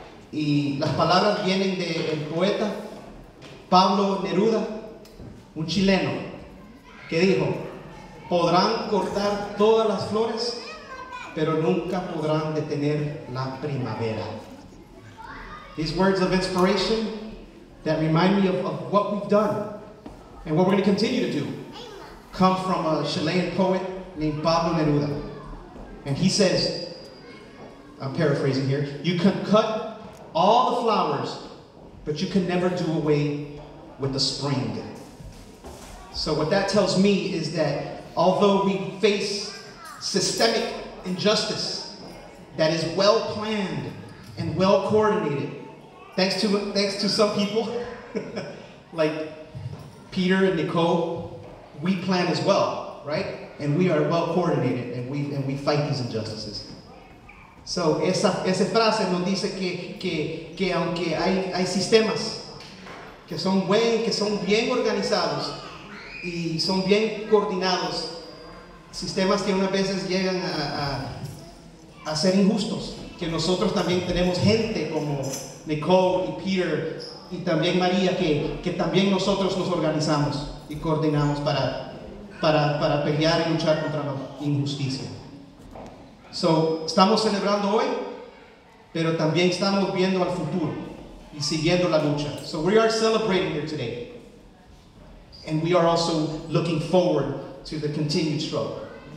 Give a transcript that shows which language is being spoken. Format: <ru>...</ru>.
<es>Y las palabras vienen del poeta Pablo Neruda, un chileno, que dijo, podrán cortar todas las flores, pero nunca podrán detener la primavera.</es> <en>These words of inspiration that remind me of what we've done and what we're going to continue to do come from a Chilean poet named Pablo Neruda. And he says, I'm paraphrasing here, you can cut all the flowers, but you can never do away with the spring. So what that tells me is that although we face systemic injustice that is well planned and well coordinated, thanks to some people like Peter and Nicole, we plan as well, right? And we are well coordinated, and we fight these injustices.</en> <es>So esa frase nos dice que aunque hay sistemas que son bien organizados y son bien coordinados, sistemas que unas veces llegan a ser injustos, que nosotros también tenemos gente como Nicole y Peter y también María que también nosotros nos organizamos y coordinamos para pelear y luchar contra la injusticia. So, estamos celebrando hoy, pero también estamos viendo al futuro y siguiendo la lucha.</es> <en>So we are celebrating here today, and we are also looking forward to the continued struggle.</en>